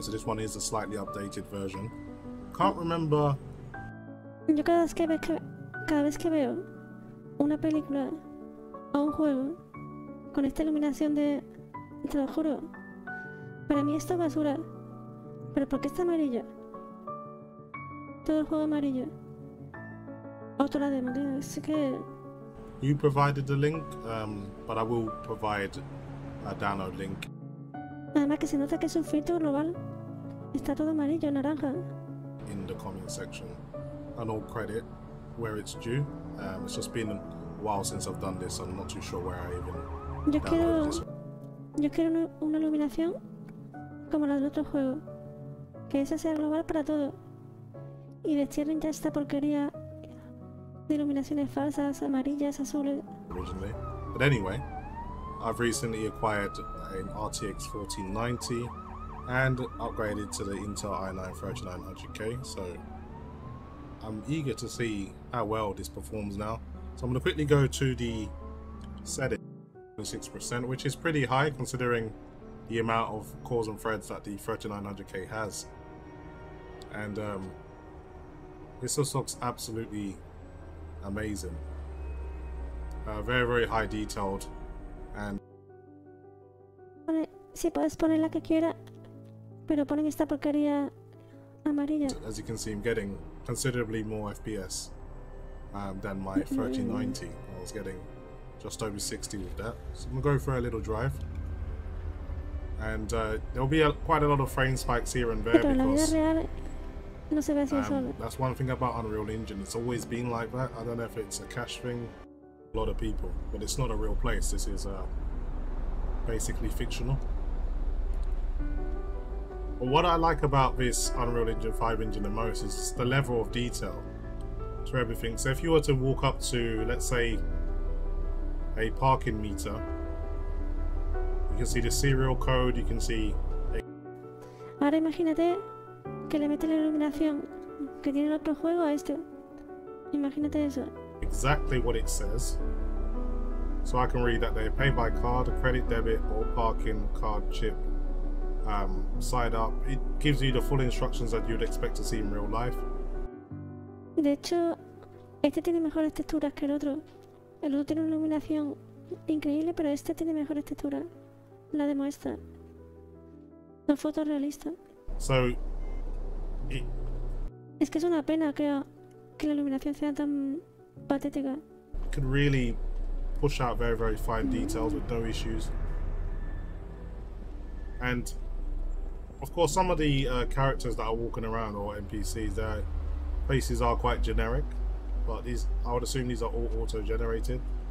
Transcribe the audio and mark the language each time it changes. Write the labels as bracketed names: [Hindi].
[English] So this one is a slightly updated version. Can't remember. [Spanish] Yo cada vez que veo una película o un juego con esta iluminación de... Te lo juro. Para mí esto es basura. ¿Pero por qué está amarillo? Todo el juego amarillo. Otra demo, así que... [English] You provided the link, but I will provide a download link. [Spanish] Además que se nota que es un filtro global. Está todo amarillo, naranja. [English] In the comment section. And all credit where it's due. It's just been a while since I've done this, so I'm not too sure where I even... [Spanish] Yo quiero una iluminación como la del otro juego. Que esa sea global para todo. Y destierren ya esta porquería de iluminaciones falsas, amarillas, azules. [English] Originally. But anyway, I've recently acquired an RTX 1490 and upgraded to the Intel i9-3900K, so I'm eager to see how well this performs now. So I'm going to quickly go to the settings, 26%, which is pretty high considering the amount of cores and threads that the 3900K has. And this just looks absolutely amazing. Very, very high detailed. And [Spanish] si puedes poner la que quiera, pero ponen esta porquería amarilla. [English] As you can see, I'm getting considerably more FPS than my 1390. I was getting just over 60 with that. So I'm going to go for a little drive. And there'll be quite a lot of frame spikes here and there, because that's one thing about Unreal Engine. It's always been like that. I don't know if it's a cache thing. A lot of people. But it's not a real place. This is basically fictional. But what I like about this Unreal Engine 5 engine the most is the level of detail to everything. So if you were to walk up to, let's say, a parking meter, you can see the serial code, you can see... [Spanish] Ahora imagínate que le mete la iluminación que tiene el otro juego a este. Imagínate eso. [English] Exactly what it says. So I can read that they pay by card, a credit, debit, or parking card chip. Side up, it gives you the full instructions that you'd expect to see in real life. [Spanish] De hecho, este tiene mejores texturas que el otro. El otro tiene una iluminación increíble, pero este tiene mejores texturas. La demuestra. Son fotos realistas. [English] So, [Spanish] es que es una pena, creo, que la iluminación sea tan patética. [English] Could really push out very, very fine details with no issues. And of course, some of the characters that are walking around, or NPCs, their faces are quite generic. But these, I would assume these are all auto-generated.